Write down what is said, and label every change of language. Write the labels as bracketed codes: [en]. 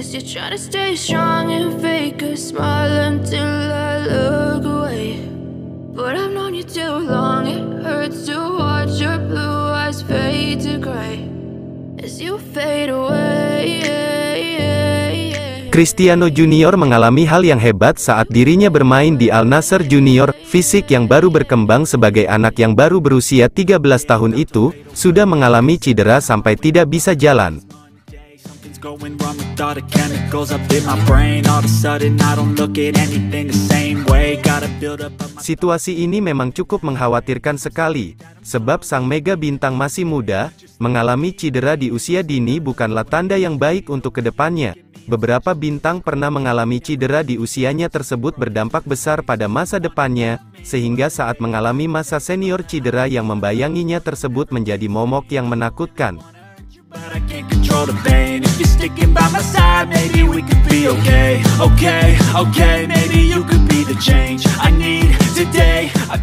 [en] Try to stay strong and fake a smile until I look away. But I've known you too long, it hurts to watch your blue eyes fade to gray as you fade away, yeah, yeah, yeah. [id] Cristiano Junior mengalami hal yang hebat saat dirinya bermain di Al Nassr Junior. Fisik yang baru berkembang sebagai anak yang baru berusia 13 tahun itu sudah mengalami cedera sampai tidak bisa jalan. [en] Going wrong with all the chemicals up in my brain. All of a sudden I don't look at anything the same way. Gotta build up my... [id] Situasi ini memang cukup mengkhawatirkan sekali, sebab sang mega bintang masih muda, mengalami cedera di usia dini bukanlah tanda yang baik untuk kedepannya. Beberapa bintang pernah mengalami cedera di usianya tersebut berdampak besar pada masa depannya, sehingga saat mengalami masa senior cedera yang membayanginya tersebut menjadi momok yang menakutkan. [en] But I can't control the pain. If you're sticking by my side, maybe we could be okay. Okay, okay, maybe you could be the change I need today.